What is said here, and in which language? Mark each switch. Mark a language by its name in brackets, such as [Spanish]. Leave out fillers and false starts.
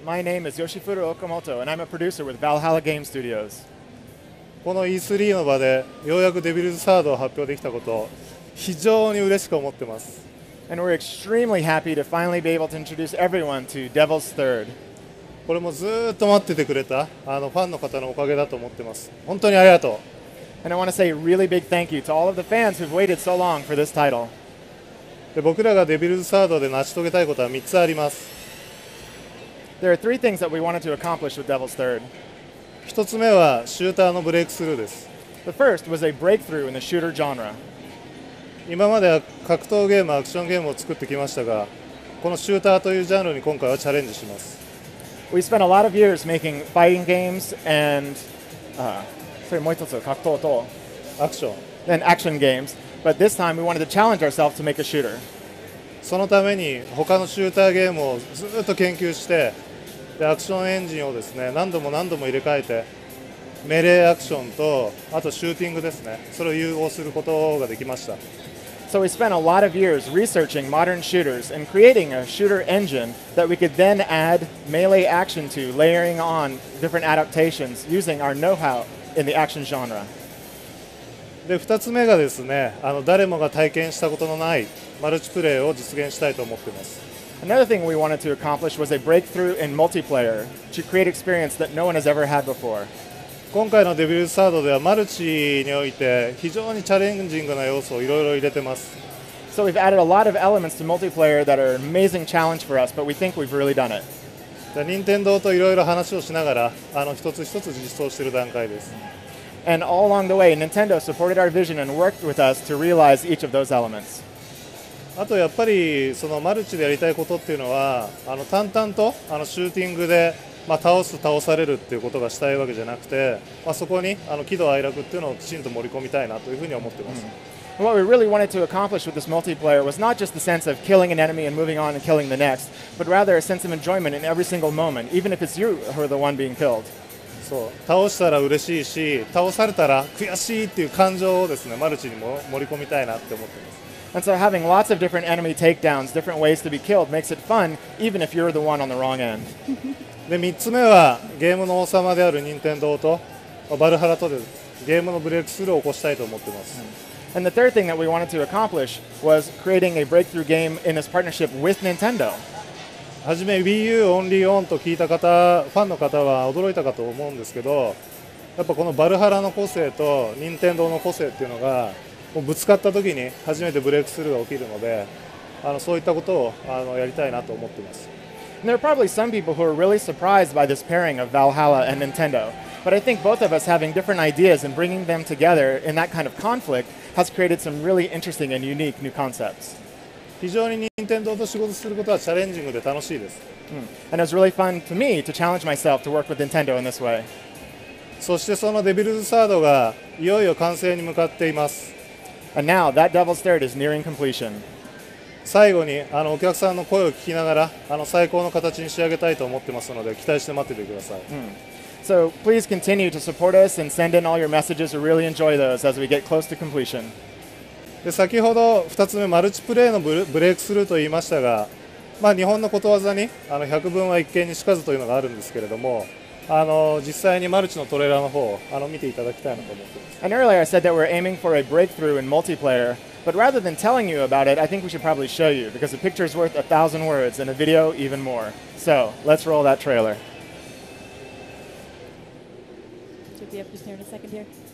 [English] My name is Yoshifuru Okamoto, and I'm a producer with Valhalla Game Studios. [Japanese] この E3 の場でようやくデビルズサードを発表できたことを非常に嬉しく思ってます。 [English] And we're extremely happy to finally be able to introduce everyone to Devil's Third. [Japanese] これもずっと待っててくれたあのファンの方のおかげだと思ってます。本当にありがとう。 [English] And I want to say a really big thank you to all of the fans who've waited so long for this title. [Japanese] で、僕らがデビルズサードで成し遂げたいことは3つあります。 [English] There are three things that we wanted to accomplish with Devil's Third. [Japanese] 一つ目はシューターのブレイクスルーです。 [English] The first was a breakthrough in the shooter genre. [Japanese] 今までは格闘ゲーム、アクションゲームを作ってきましたが、このシューターというジャンルに今回はチャレンジします。 [English] We spent a lot of years making fighting games and action games, but this time we wanted to challenge ourselves to make a shooter. [Japanese] そのために他のシューターゲームをずっと研究して、でアクションエンジンをですね、何度も何度も入れ替えて、メレーアクションとあとシューティングですね、それを融合することができました。 [English] So we spent a lot of years researching modern shooters and creating a shooter engine that we could then add melee action to, layering on different adaptations using our know-how in the action genre. [Japanese] で、2つ目がですね、あの、誰もが体験したことのないマルチプレイを実現したいと思ってます。 [English] Another thing we wanted to accomplish was a breakthrough in multiplayer to create experience that no one has ever had before. [Japanese] 今回のデビルズサードではマルチにおいて非常にチャレンジングな要素をいろいろ入れてます。 [English] So we've added a lot of elements to multiplayer that are an amazing challenge for us, but we think we've really done it. [Japanese] じゃあ、任天堂といろいろ話をしながら、あの、一つ一つ実装している段階です。 [English] And all along the way, Nintendo supported our vision and worked with us to realize each of those elements. [Japanese] あとやっぱりそのマルチでやりたいことっていうのは、あの、淡々とあのシューティングでまあ、倒す倒されるっていうことがしたいわけじゃなくて、まあ、そこにあの喜怒哀楽っていうのをきちんと盛り込みたいなというふうに思ってます。 Mm-hmm. [English] What we really wanted to accomplish with this multiplayer was not just the sense of killing an enemy and moving on and killing the next, but rather a sense of enjoyment in every single moment, even if it's you who are the one being killed. [Japanese] そう、倒したら嬉しいし、倒されたら悔しいっていう感情をですね、マルチにも盛り込みたいなって思ってます。 [English] And so having lots of different enemy takedowns, different ways to be killed, makes it fun, even if you're the one on the wrong end. [Japanese] で、3つ目はゲームの王様であるニンテンドーとバルハラとでゲームのブレイクスルーを起こしたいと思ってます。 [English] And the third thing that we wanted to accomplish was creating a breakthrough game in this partnership with Nintendo. [Japanese] はじめ Wii U Only On と聞いた方、ファンの方は驚いたかと思うんですけど、やっぱこのバルハラの個性とニンテンドーの個性っていうのがもうぶつかった時に初めてブレイクスルーが起きるので、そういったことをやりたいなと思っています。 [English] There are probably some people who are really surprised by this pairing of Valhalla and Nintendo. But I think both of us having different ideas and bringing them together in that kind of conflict has created some really interesting and unique new concepts. [Japanese] 非常に Nintendo と仕事することはチャレンジングで楽しいです。 [English] And it's really fun to me to challenge myself to work with Nintendo in this way. [Japanese] そしてそのデビルズサードがいよいよ完成に向かっています。 [English] And now that Devil's Third is nearing completion. [Japanese] 最後にお客さんの声を聞きながら最高の形に仕上げたいと思ってますので期待して待っててください。 [English] So please continue to support us and send in all your messages. We really enjoy those as we get close to completion. [Japanese] で先ほど2つ目マルチプレイのブレイクスルーと言いましたが、まあ日本のことわざに百聞は一見にしかずというのがあるんですけれども。実際にマルチのトレーラーの方を見ていただきたいなと思っています。 [English] And earlier I said that we're aiming for a breakthrough in multiplayer, but rather than telling you about it, I think we should probably show you, because a picture is worth a thousand words, and a video even more. So, let's roll that trailer. Should be up just here in a second here.